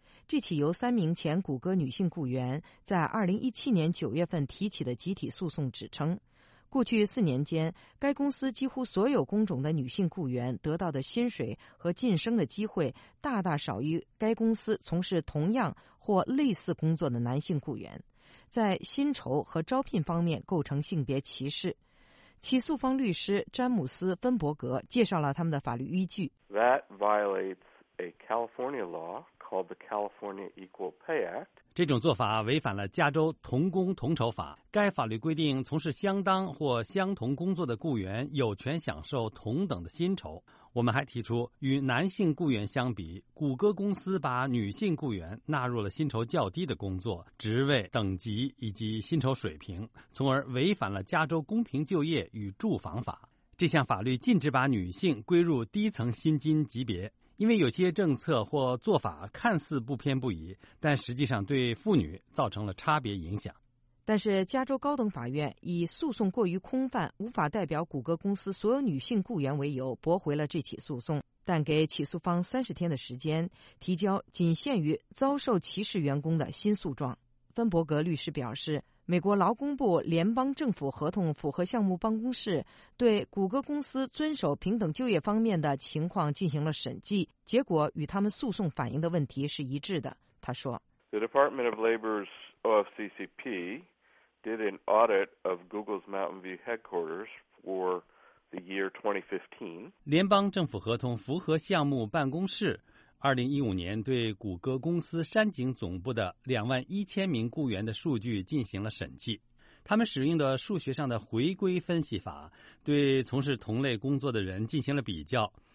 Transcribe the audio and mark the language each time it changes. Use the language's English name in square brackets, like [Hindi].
[Chinese] 这起由三名前谷歌女性雇员在2017年9月份提起的集体诉讼指称，过去四年间，该公司几乎所有工种的女性雇员得到的薪水和晋升的机会大大少于该公司从事同样或类似工作的男性雇员，在薪酬和招聘方面构成性别歧视。起诉方律师詹姆斯·芬伯格介绍了他们的法律依据。 [English] That violates a California law called the California Equal Pay Act. [Chinese] 这种做法违反了加州同工同酬法。该法律规定，从事相当或相同工作的雇员有权享受同等的薪酬。我们还提出，与男性雇员相比，谷歌公司把女性雇员纳入了薪酬较低的工作、职位、等级以及薪酬水平，从而违反了加州公平就业与住房法。这项法律禁止把女性归入低层薪金级别，因为有些政策或做法看似不偏不倚，但实际上对妇女造成了差别影响。但是加州高等法院以诉讼过于空泛，无法代表谷歌公司所有女性雇员为由驳回了这起诉讼，但给起诉方30天的时间提交仅限于遭受歧视员工的新诉状。芬伯格律师表示，美国劳工部联邦政府合同符合项目办公室对谷歌公司遵守平等就业方面的情况进行了审计，结果与他们诉讼反映的问题是一致的。他说 [English] The Department of Labor'sOFCCP did an audit of Google's Mountain View headquarters for the year 2015. [Chinese] 联邦政府合同符合项目办公室2015年对谷歌公司山景总部的21000名雇员的数据进行了审计。他们使用的数学上的回归分析法对从事同类工作的人进行了比较。